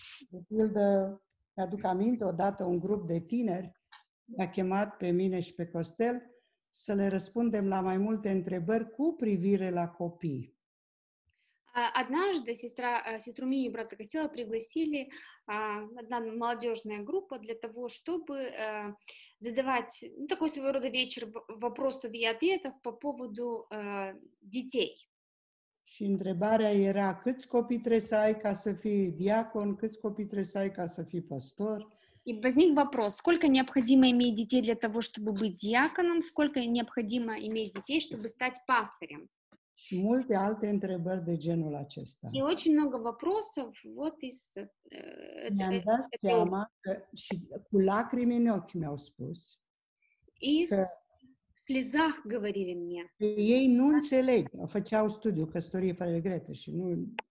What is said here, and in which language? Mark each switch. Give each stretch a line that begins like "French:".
Romanian: De pildă, mi-aduc aminte, odată un grup de tineri a chemat pe mine și pe Costel să le răspundem la mai multe întrebări cu privire la copii.
Russian: Однажды сестру Мии и брата Костела пригласили одна молодежная группа для того, чтобы задавать ну, такой своего рода вечер вопросов и ответов по поводу детей.
Romanian: Și întrebarea era, câți copii trebuie să ai ca să fii diacon, câți copii trebuie să ai ca să fii pastor?
Russian: И возник вопрос, сколько необходимо иметь детей для того, чтобы быть диаконом, сколько необходимо иметь детей, чтобы стать пастырем?
Romanian: Și multe alte întrebări de genul acesta.
Russian: E очень много вопросов, вот из...
Romanian: Mi-am dat seama că, și cu lacrimi în ochi mi-au spus.
Russian: Из слезах говорили мне.
Romanian: Ei nu înțeleg, făceau studiu căsătorie fără regrete și nu...